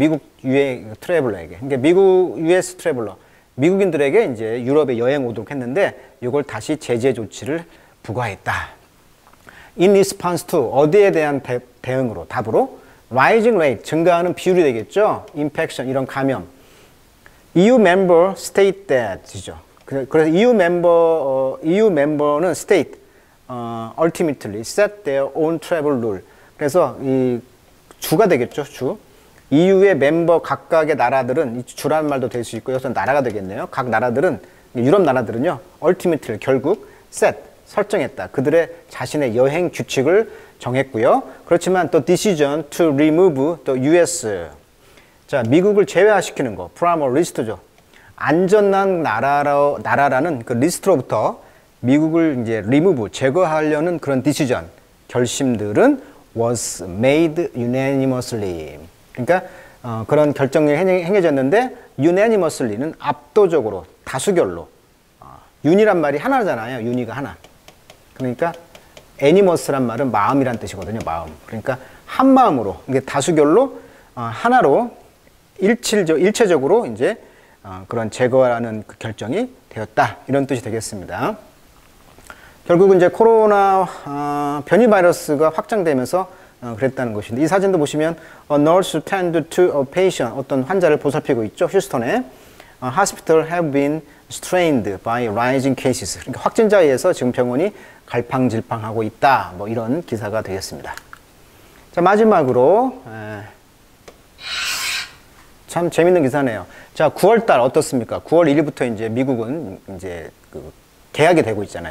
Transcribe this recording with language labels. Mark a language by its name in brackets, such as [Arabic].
[Korean] 미국 트래블러에게. 그러니까 미국 US 트래블러, 미국인들에게 이제 유럽에 여행 오도록 했는데 이걸 다시 제재 조치를 부과했다. In response to, 어디에 대한 대응으로, 답으로? Rising rate, 증가하는 비율이 되겠죠? Infection, 이런 감염. [English] EU member state that이죠. 그래서 EU member, EU member는 state, ultimately set their own travel rule. [Korean] 그래서 이 주가 되겠죠, 주. EU의 멤버 각각의 나라들은, 주라는 말도 될 수 있고, 여기서 나라가 되겠네요. 각 나라들은, 유럽 나라들은요, ultimately, 결국, set, 설정했다. 그들의 자신의 여행 규칙을 정했고요. 그렇지만 또 [English] decision to remove the US. [Korean] 자, 미국을 제외시키는 거. from a list죠. 안전한 나라라는 그 리스트로부터 미국을 이제 remove, 제거하려는 그런 decision, 결심들은 [English] was made unanimously. [Korean] 그러니까 그런 결정이 행해졌는데 unanimously는 압도적으로, 다수결로. uni란 말이 하나잖아요. uni가 하나. 그러니까 animus란 말은 마음이란 뜻이거든요. 마음. 그러니까 한 마음으로, 이게 다수결로, 하나로 일체적으로 이제 그런 제거라는 그 결정이 되었다. 이런 뜻이 되겠습니다. 결국은 이제 코로나 변이 바이러스가 확장되면서 그랬다는 것인데, 이 사진도 보시면 [English] a nurse tend to a patient, [Korean] 어떤 환자를 보살피고 있죠. [English] 휴스턴에 hospital have been strained by rising cases. [Korean] 그러니까 확진자에 의해서 지금 병원이 갈팡질팡하고 있다. 뭐 이런 기사가 되겠습니다. 자, 마지막으로 참 재밌는 기사네요. 자, 9월 달 어떻습니까? 9월 1일부터 이제 미국은 이제 그 개학이 되고 있잖아요.